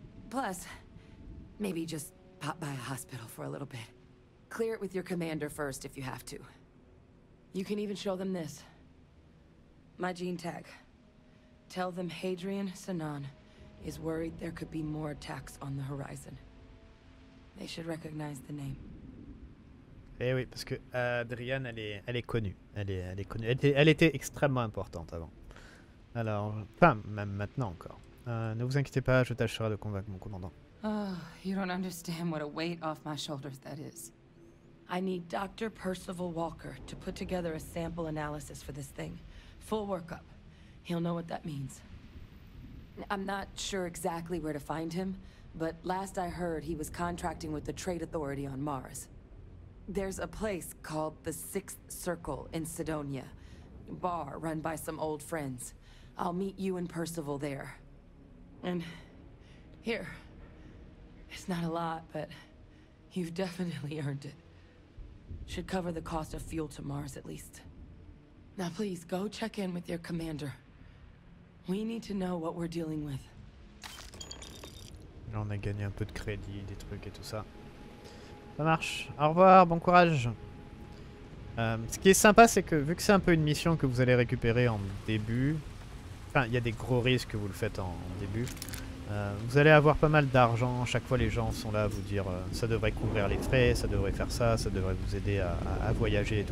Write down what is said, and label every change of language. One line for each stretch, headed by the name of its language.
English: Plus, maybe just pop by a hospital for a little bit. Clear it with your commander first if you have to. You can even show them this. My gene tag. Tell them Hadrian Sanon is worried there could be more attacks on the horizon. They should recognize the name.
French: Eh oui, parce que Adrienne, elle est connue. Elle est connue. Elle était extrêmement importante avant. Alors, enfin, même maintenant encore. Ne vous inquiétez pas, je tâcherai de convaincre mon commandant.
English: Oh, you don't understand what a weight off my shoulders that is. I need Dr. Percival Walker to put together a sample analysis for this thing. Full workup. He'll know what that means. I'm not sure exactly where to find him, but last I heard he was contracting with the Trade Authority on Mars. There's a place called the Sixth Circle in Cydonia, a bar run by some old friends. I'll meet you and Percival there. And here. It's not a lot, but you've definitely earned it. Should cover the cost of fuel to Mars at least. Now please go check in with your commander. We need to know what we're dealing with.
French: Là, on a gagné un peu de crédit, des trucs et tout ça. Ça marche. Au revoir, bon courage. Ce qui est sympa, c'est que vu que c'est un peu une mission que vous allez récupérer en début, enfin, il y a des gros risques que vous le faites en début. Vous allez avoir pas mal d'argent, chaque fois les gens sont là à vous dire ça devrait couvrir les frais, ça devrait faire ça, ça devrait vous aider à voyager et tout.